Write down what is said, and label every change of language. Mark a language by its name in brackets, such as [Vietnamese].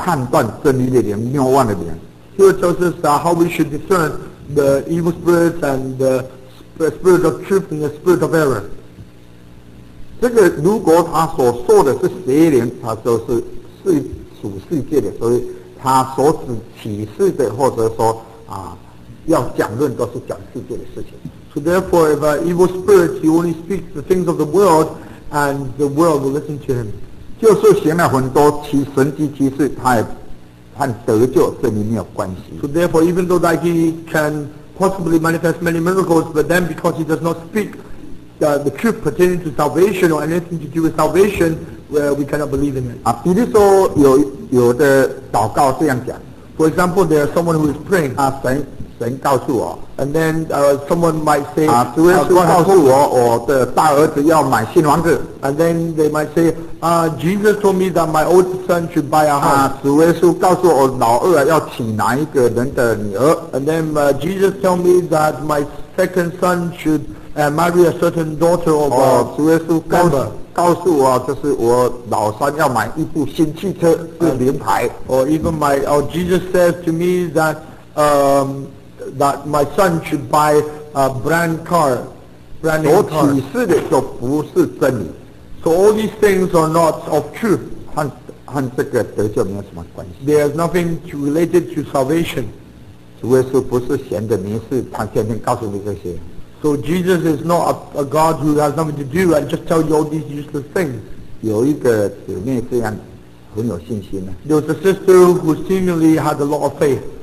[Chinese] 他们是属于世界的，所以论世界的事，世界的人都听从他们。我们是属神的，认识神的就听从我们。不是，不属神的就不听从我们。从此我们就可以认出真理的灵和谬妄的灵来。啊，这叫做告诉我们怎么来判断真理的灵、谬妄的灵。 [English] Here tells us how we should discern the evil spirits and the spirit of truth and the spirit of error. [Chinese] 这个如果他所说的是邪灵，他就是属世界的，所以他所指启示的，或者说要讲论都是讲世界的事情。 [English] So therefore, if an evil spirit, he only speaks the things of the world, and the world will listen to him. [Chinese] 就是行了很多神迹奇事，他也和得救这里没有关系。 [English] So therefore, even though that he can possibly manifest many miracles, but then because he does not speak. The truth pertaining to salvation or anything to do with salvation, where we cannot believe in it. [Chinese] 比如说有的祷告这样讲, [English] for example, there is someone who is praying. [Chinese] 神告诉我, [English] and then someone might say, [Chinese] 主耶稣告诉我，我的大儿子要买新房子, [English] and then they might say, Jesus told me that my old son should buy a house. [Chinese] 主耶稣告诉我老二要娶哪一个人的女儿, [English] and then Jesus told me that my second son should. And marry a certain daughter of a member. [Chinese] 告诉我，就是我老三要买一部新汽车，是名牌。 [English] Or even my, or Jesus says to me that, that my son should buy a brand car, brand new car. [Chinese] 所启示的就不是真理。 [English] So all these things are not of truth. There's nothing to related to salvation. So Jesus is not a God who has nothing to do and just tell you all these useless things. [Chinese] 有一个姊妹这样很有信心啊, [English] there was a sister who seemingly had a lot of faith.